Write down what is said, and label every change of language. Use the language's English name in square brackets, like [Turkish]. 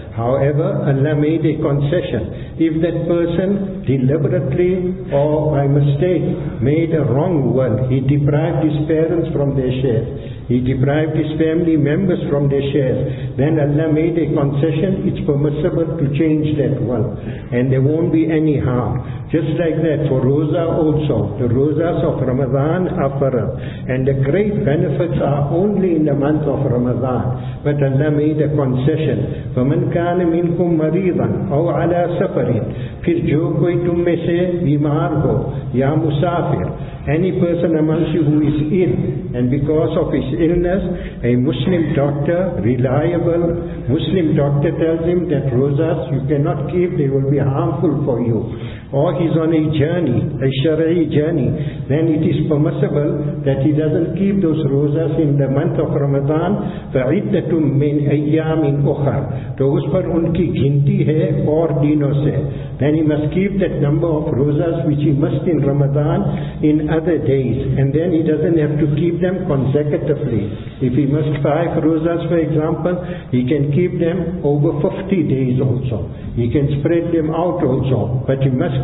[English] However, Allah made a concession. If that person deliberately or by mistake made a wrong will, he deprived his parents from their share, he deprived his family members from their shares, then Allah made a concession, it's permissible to change that will, and there won't be any harm. Just like that, for roza also, the rozas of Ramadan are farz, and the great benefits are only in the month of Ramadan. But Allah made a concession. [Arabic] فَمَنْ كَانَ مِنْكُمْ مَرِيضًا أَوْ عَلَىٰ سَفَرٍ [Urdu] پھر جو کوئی تم میں سے بیمار ہو یا مسافر. [English] Any person amongst you who is ill, and because of his illness, a Muslim doctor, reliable Muslim doctor, tells him that rozas you cannot keep, they will be harmful for you. Or he's on a journey, a shar'i journey, then it is permissible that he doesn't keep those rozas in the month of Ramadan. [Arabic] فَعِدَّةٌ مِّنْ أَيَّامٍ أُخَرٍ [Urdu] تو اس پر ان کی گھنتی ہے اور دینوں سے. [English] Then he must keep that number of rozas which he must in Ramadan in other days. And then he doesn't have to keep them consecutively. If he must 5 rozas, for example, he can keep them over 50 days also. He can spread them out also. But he must